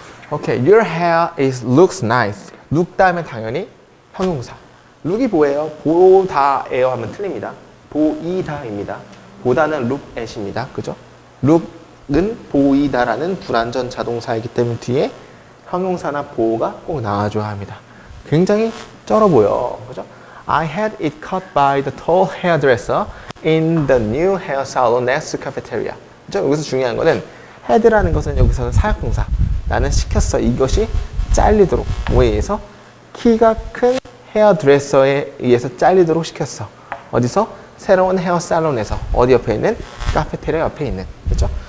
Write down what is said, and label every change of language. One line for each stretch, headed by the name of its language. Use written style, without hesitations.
Korean: 오케이.
English: Your hair is looks nice.
Korean: look 다음에 당연히 형용사. look이 뭐예요? 보다예요 하면 틀립니다. 보이다입니다. 보다는 look at입니다. 그죠? look은 보이다라는 불완전 자동사이기 때문에 뒤에 형용사나 보호가 꼭 나와줘야 합니다. 굉장히 쩔어 보여. 그죠?
English: I had it cut by the tall hairdresser in the new hair salon next cafeteria.
Korean: 그죠? 여기서 중요한 거는 had라는 것은 여기서는 사역동사. 나는 시켰어. 이것이 잘리도록. 뭐에 의해서? 키가 큰 헤어드레서에 의해서 잘리도록 시켰어. 어디서? 새로운 헤어 살론에서. 어디 옆에 있는? 카페테라 옆에 있는. 그죠?